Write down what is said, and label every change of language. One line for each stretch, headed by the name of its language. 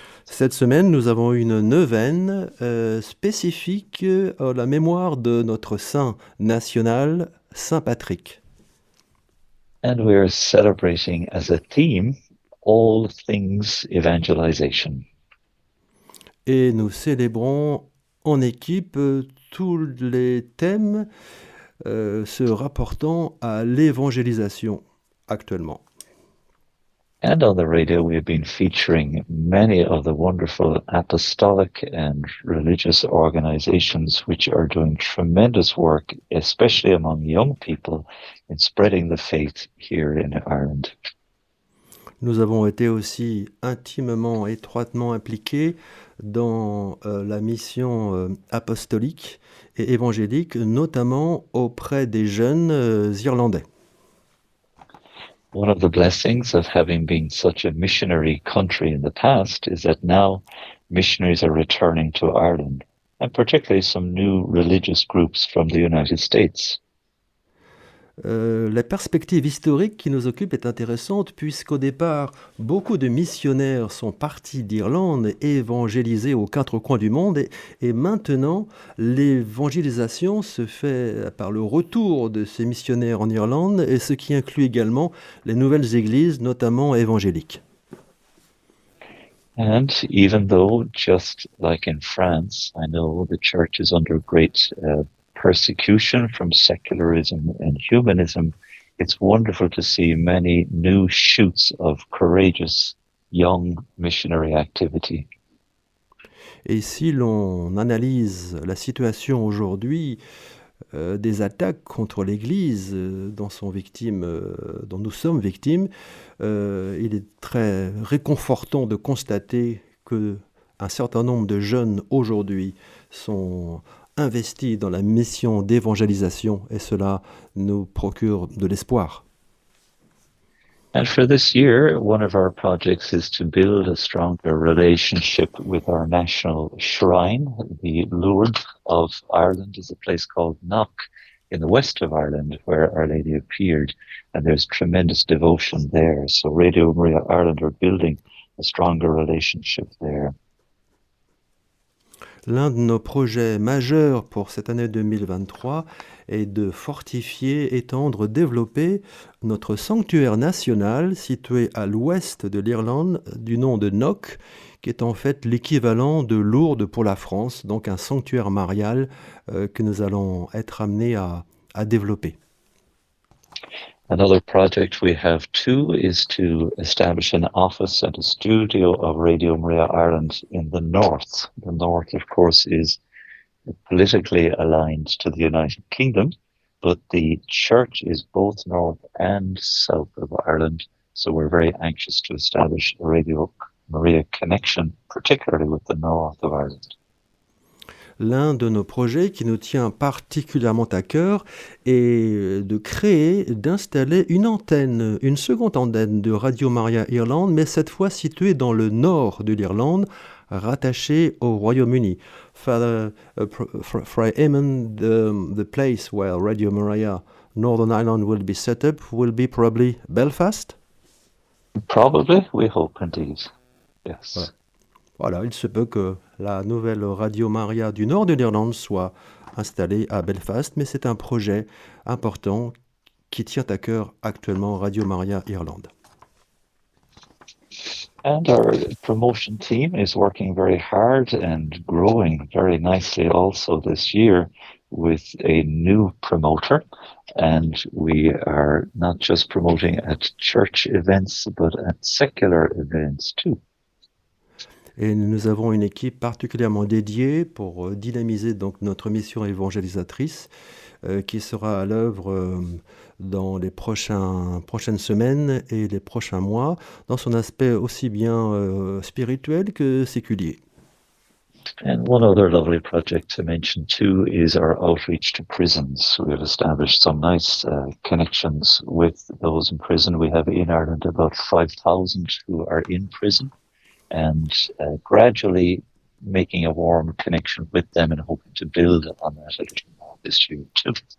French: Cette semaine, nous avons une neuvaine spécifique à la mémoire de notre saint national, Saint Patrick.
English: And we are celebrating as a theme all things evangelization.
French: Et nous célébrons en équipe tous les thèmes se rapportant à l'évangélisation actuellement.
English: And on the radio, we have been featuring many of the wonderful apostolic and religious organizations which are doing tremendous work, especially among young people, in spreading the faith here in Ireland.
French: Nous avons été aussi intimement, étroitement impliqués dans la mission apostolique et évangélique, notamment auprès des jeunes Irlandais.
English: One of the blessings of having been such a missionary country in the past is that now missionaries are returning to Ireland, and particularly some new religious groups from the United States.
French: La perspective historique qui nous occupe est intéressante puisqu'au départ, beaucoup de missionnaires sont partis d'Irlande évangéliser aux quatre coins du monde et maintenant, l'évangélisation se fait par le retour de ces missionnaires en Irlande et ce qui inclut également les nouvelles églises, notamment évangéliques.
English: And even though, just like in France, I know the church is under great persecution from secularism and humanism, it's wonderful to see many new shoots of courageous young missionary activity.
French: Et si l'on analyse la situation aujourd'hui des attaques contre l'Église dont nous sommes victimes, il est très réconfortant de constater qu'un certain nombre de jeunes aujourd'hui sont investi dans la mission d'évangélisation et cela nous procure de l'espoir.
English: And for this year, one of our projects is to build a stronger relationship with our national shrine, the Lourdes of Ireland, is a place called Knock in the west of Ireland where Our Lady appeared, and there's tremendous devotion there. So Radio Maria Ireland are building a stronger relationship there.
French: L'un de nos projets majeurs pour cette année 2023 est de fortifier, étendre, développer notre sanctuaire national situé à l'ouest de l'Irlande du nom de Knock, qui est en fait l'équivalent de Lourdes pour la France, donc un sanctuaire marial que nous allons être amenés à développer.
English: Another project we have too is to establish an office and a studio of Radio Maria Ireland in the north. The north, of course, is politically aligned to the United Kingdom, but the church is both north and south of Ireland, so we're very anxious to establish a Radio Maria connection, particularly with the north of Ireland.
French: L'un de nos projets qui nous tient particulièrement à cœur est de créer, d'installer une antenne, une seconde antenne de Radio Maria Irlande, mais cette fois située dans le nord de l'Irlande, rattachée au Royaume-Uni.
English: Father Fray Eamon, the place where Radio Maria Northern Ireland will be set up will be probably Belfast? Probably, we hope indeed, yes.
French: Voilà, il se peut que la nouvelle Radio Maria du nord de l'Irlande soit installée à Belfast, mais c'est un projet important qui tient à cœur actuellement Radio Maria Irlande.
English: And our promotion team is working very hard and growing very nicely also this year with a new promoter. And we are not just promoting at church events, but at secular events too.
French: Et nous avons une équipe particulièrement dédiée pour dynamiser donc notre mission évangélisatrice qui sera à l'œuvre dans les prochaines semaines et les prochains mois, dans son aspect aussi bien spirituel que séculier.
English: And one other lovely project to mention too is our outreach to prisons. We have established some nice connections with those in prison. We have in Ireland about 5,000 who are in prison, and gradually making a warm connection with them and hoping to build on that a little more this year too.